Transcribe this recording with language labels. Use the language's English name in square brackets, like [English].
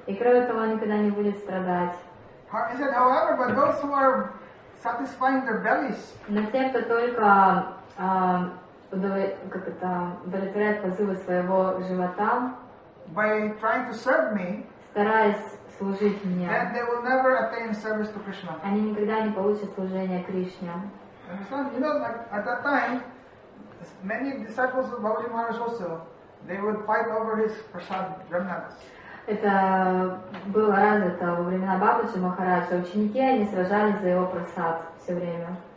[Russian] И кроме того, он никогда не будет страдать. [English] He said, however, but those who are satisfying their bellies. [Russian] Но те, кто только удовлетворяет позывы своего живота, [English] by trying to serve me, [Russian] стараясь служить мне, [English] then they will never attain service to Krishna. [Russian] Они никогда не получат служение Кришне. [English] You know, like at that time, many disciples of Bhagavad Gita also, they would fight over his prasad remnants. [Russian] Это было развито во времена Бабаджи Махараджа. Ученики, они сражались за его прасад все время.